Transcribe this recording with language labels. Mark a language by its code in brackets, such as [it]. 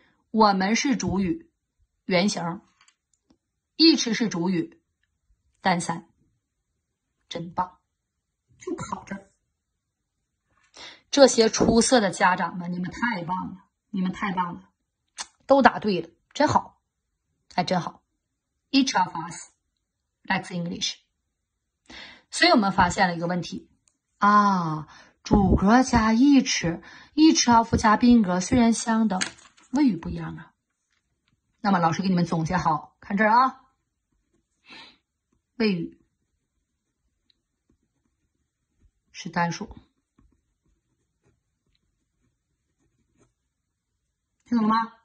[zh] 我们是主语原型，一直是主语单三，真棒，就考这儿。这些出色的家长们，你们太棒了，你们太棒了，都答对了，真好，哎，真好。 [en] Each of us likes English。 [zh] 所以我们发现了一个问题啊，主格加 each， each of 加宾格虽然相等，谓语不一样啊。那么老师给你们总结好，看这儿啊，谓语是单数，听懂了吗？